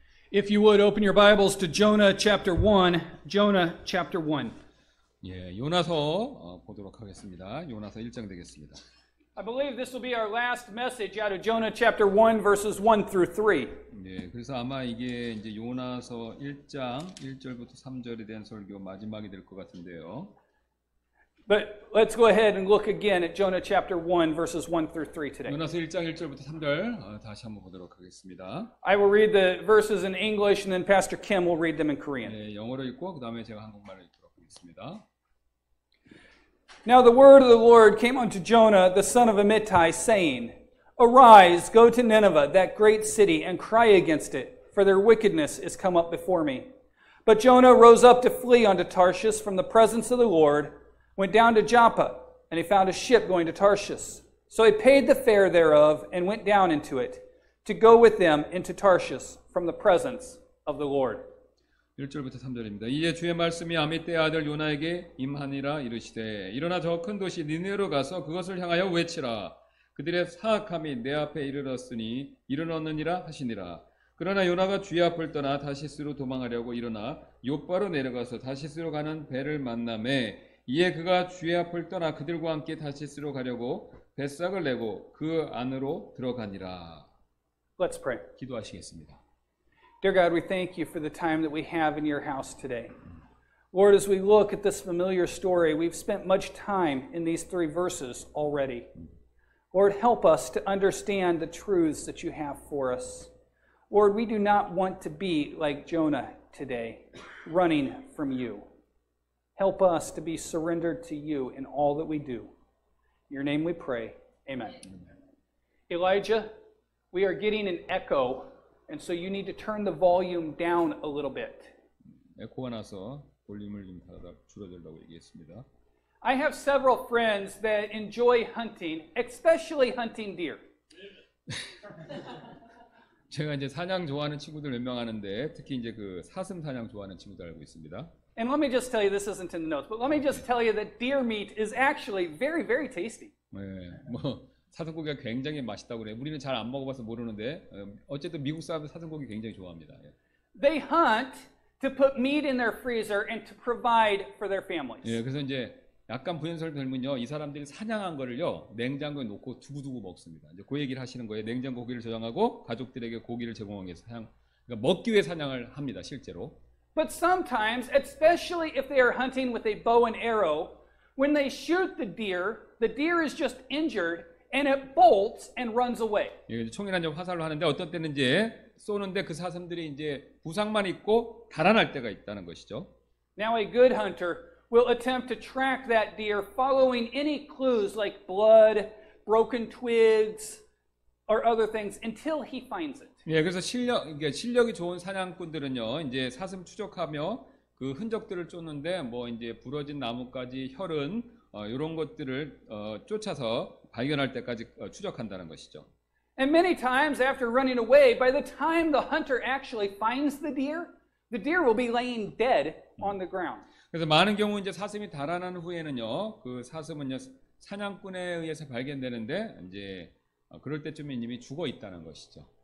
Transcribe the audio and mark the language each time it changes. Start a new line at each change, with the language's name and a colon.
English: If you would open your Bibles to Jonah chapter 1, Jonah chapter 1.
Korean: 예, 요나서 보도록 하겠습니다. 요나서 1장 되겠습니다.
English: I believe this will be our last message out of Jonah chapter 1 verses 1 through 3.
Korean: 예, 그래서 아마 이게 이제 요나서 1장 1절부터 3절에 대한 설교 마지막이 될 것 같은데요.
English: But let's go ahead and look again at Jonah chapter 1 verses 1 through 3 today.
Korean: 요나서 1장 1절부터 3절 다시 한번 보도록 하겠습니다.
English: I will read the verses in English and then Pastor Kim will read them in Korean.
Korean: 네, 영어로 읽고 그다음에 제가 한국말로 읽도록 하겠습니다.
English: Now the word of the Lord came unto Jonah the son of Amittai saying, Arise, go to Nineveh, that great city, and cry against it, for their wickedness is come up before me. But Jonah rose up to flee unto Tarshish from the presence of the Lord. Went down to Joppa, and he found a ship going to Tarshish. So he paid the fare thereof, and went down into it, to go with them into Tarshish from the presence of the Lord.
Korean: 1절부터 3절입니다. 이에 주의 말씀이 아미떼의 아들 요나에게 임하니라 이르시되 일어나 저 큰 도시 니느웨로 가서 그것을 향하여 외치라. 그들의 사악함이 내 앞에 이르렀으니 이르렀느니라 하시니라. 그러나 요나가 주의 앞을 떠나 다시스로 도망하려고 일어나 욥바로 내려가서 다시스로 가는 배를 만남에 이에 그가 주의 앞을 떠나 그들과 함께 다시스로 가려고 뱃삭을 내고 그 안으로 들어가니라.
English: Let's pray.
Korean: 기도하시겠습니다.
English: Dear God, we thank you for the time that we have in your house today. Lord, as we look at this familiar story, we've spent much time in these three verses already. Lord, help us to understand the truths that you have for us. Lord, we do not want to be like Jonah today, running from you. Help us to be surrendered to you in all that we do. In your name we pray. Amen. Elijah, we are getting an echo, and so you need to turn the volume down a little bit.
Korean: 에코가 나서 볼륨을 좀 줄여달라고 얘기했습니다.
English: I have several friends that enjoy hunting, especially hunting deer.
Korean: 제가 이제 사냥 좋아하는 친구들 몇 명 아는데 특히 이제 그 사슴 사냥 좋아하는 친구들 알고 있습니다.
English: And let me just tell you, this isn't in the notes, but let me just tell you that deer meat is actually very, very tasty.
Korean: 네, 뭐 사슴고기가 굉장히 맛있다고 그래요. 우리는 잘 안 먹어봐서 모르는데 어쨌든 미국 사람들 사슴고기 굉장히 좋아합니다.
English: They hunt to put meat in their freezer and to provide for their families.
Korean: 네, 그래서 이제 약간 부연설 들면요, 이 사람들이 사냥한 거를요 냉장고에 놓고 두고두고 먹습니다. 이제 그 얘기를 하시는 거예요. 냉장고 고기를 저장하고 가족들에게 고기를 제공하기 위해서 사냥, 그러니까 먹기 위해 사냥을 합니다, 실제로.
English: But sometimes, especially if they are hunting with a bow and arrow, when they shoot the deer is just injured and it bolts and runs away.
Korean: 예, 총이나 이제 화살로 하는데 어떤 때는 이제 쏘는데 그 사슴들이 이제 부상만 입고 달아날 때가 있다는 것이죠.
English: Now a good hunter will attempt to track that deer following any clues like blood, broken twigs, or other things until he finds it.
Korean: 예, 그래서 실력 이게 실력이 좋은 사냥꾼들은요, 이제 사슴 추적하며 그 흔적들을 쫓는데 뭐 이제 부러진 나뭇가지, 혈흔 이런 것들을 쫓아서 발견할 때까지 추적한다는 것이죠.
English: And many times after running away, by the time the hunter actually finds the deer will be laying dead on the ground.
Korean: 그래서 많은 경우 이제 사슴이 달아난 후에는요, 그 사슴은요 사냥꾼에 의해서 발견되는데 이제 그럴 때쯤에 이미 죽어 있다는 것이죠.